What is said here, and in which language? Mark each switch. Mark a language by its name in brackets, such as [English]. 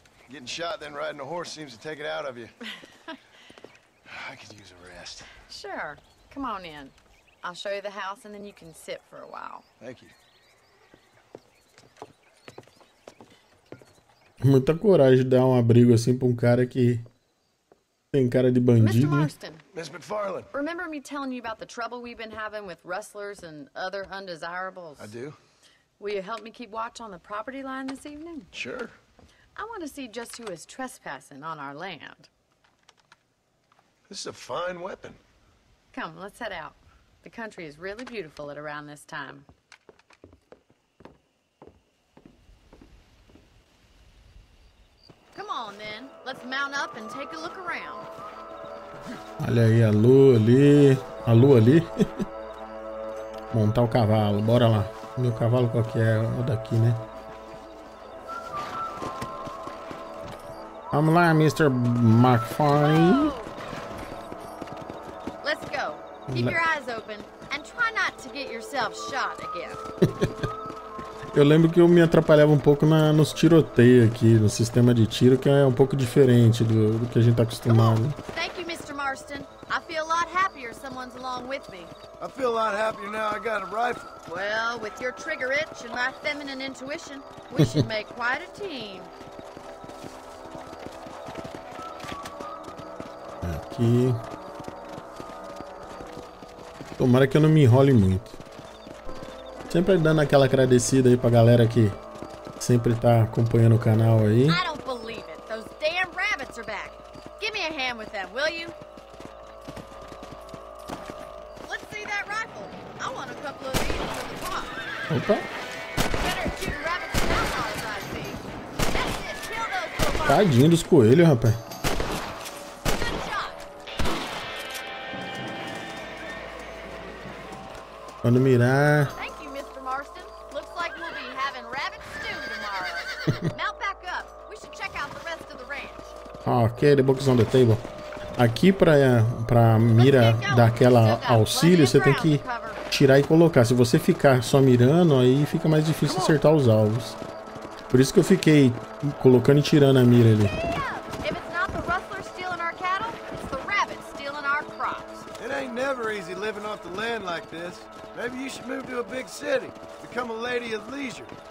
[English] Getting shot then riding a horse seems to take it out of you. I could use a rest. Sure. Come on in. I'll show you the house and then you can sit for a while. Thank you. [Portuguese] Muita coragem dar um abrigo assim para um cara que tem cara de bandido. [English] Mr. Marston, Miss McFarlane. Remember me telling you about the trouble we've been having with rustlers and other undesirables? I do. Will you help me keep watch on the property line this evening? Sure. I want to see just who is trespassing on our land. This is a fine weapon. Come, let's head out. The country is really beautiful at around this time. Come on then, let's mount up and take a look around. [Portuguese] Olha aí a lua ali. A lua ali. Montar o cavalo, bora lá. Meu cavalo qual que é? O daqui, né? Vamos lá, Mr. McFarlane. [English] Let's go. Keep your eyes open and try not to get yourself shot again. [Portuguese] Eu lembro que eu me atrapalhava um pouco nos tiroteios aqui, no sistema de tiro, que é um pouco diferente do que a gente tá acostumado. [English] Thank you, Mr. Marston. I feel a lot happier someone's along with me. I feel a lot happier now I got a rifle. Well, with your trigger itch and my feminine intuition, we should make quite a team. [Portuguese] Aqui. Tomara que eu não me enrole muito. Sempre dando aquela agradecida aí pra galera que sempre tá acompanhando o canal aí. [English] I don't believe it. Those damn rabbits are back. Give me a hand with them, will you? Let's see that rifle. I want a couple of these for the pot. Opa. Better shoot rabbits than outlaws, I see. That's it. Kill those coelhos. [Portuguese] Tadinho dos coelhos, rapaz. Quando mirar. [English] Thank you, Mr. Marston. Looks like we'll be having rabbit stew tomorrow. Mount back up. We should check out the rest of the ranch. Ok, the books on the table. [Portuguese] Aqui pra mira daquela auxílio, você tem que tirar e colocar. Se você ficar só mirando, aí fica mais difícil acertar os alvos. Por isso que eu fiquei colocando e tirando a mira ali. [English] If it's not the rustler stealing our cattle, it's the rabbit stealing our crops. It ain't never easy living off the land like this. Maybe you should move to a big city, become a lady of leisure.